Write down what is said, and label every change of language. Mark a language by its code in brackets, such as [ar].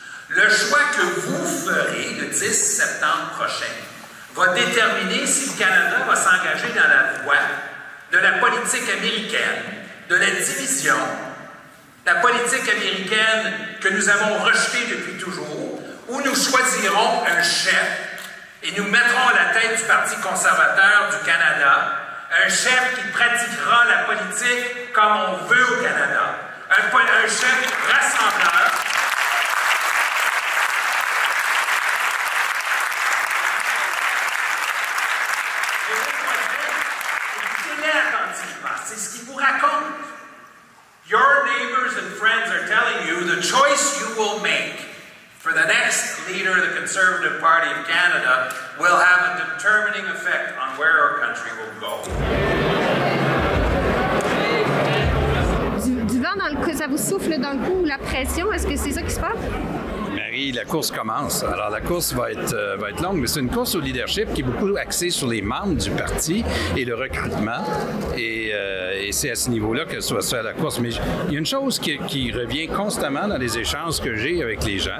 [fr] Le choix que vous ferez le 10 septembre prochain va déterminer si le Canada va s'engager dans la voie de la politique américaine, de la division, la politique américaine que nous avons rejetée depuis toujours, où nous choisirons un chef et nous mettrons à la tête du Parti conservateur du Canada, un chef qui pratiquera la politique comme on veut au Canada, un chef rassembleur. Écoutez-les attentivement, c'est ce qu'ils vous racontent. [en] Your neighbors and friends are telling you the choice you will make for the next leader of the Conservative Party of Canada will have a determining effect on where our country will go. [fr] Du vent dans le cou, ça vous souffle dans le cou, la pression, est-ce que c'est ça qui se passe? Marie, la course commence. Alors, la course va être longue, mais c'est une course au leadership qui est beaucoup axée sur les membres du parti et le recrutement. Et c'est à ce niveau-là que ça va se faire la course. Mais il y a une chose qui revient constamment dans les échanges que j'ai avec les gens.